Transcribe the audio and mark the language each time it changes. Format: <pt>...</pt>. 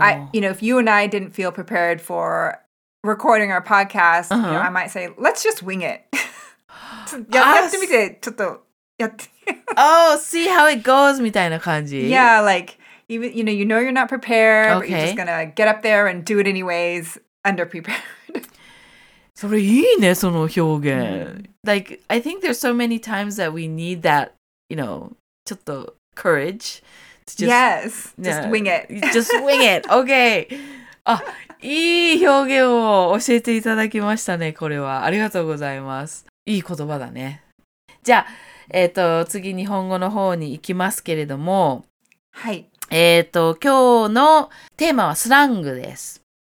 <en>I, you know, if you and I didn't feel prepared for recording our podcast,、uh-huh. you know, I might say, let's just wing it.</en> <ja>やってみて、ちょっとやって。</ja> <en>Oh, see how it goes</en> <ja>みたいな感じ。</ja> <en>Yeah, like, even, you know you're not prepared,、okay. but you're just gonna get up there and do it anyways, underprepared.</en> <ja>それいいね、その表現。Mm-hmm.</ja> <en>Like, I think there's so many times that we need that, you know,</en> <ja>ちょっと</ja> <en>courage. To just, yes, just yeah, wing it. Just wing it, okay.</en> <ja>あ、いい表現を教えていただきましたね、これは。ありがとうございます。いい言葉だね。じゃあ、次日本語の方に行きますけれども、はい。今日のテーマはスラングです。</ja>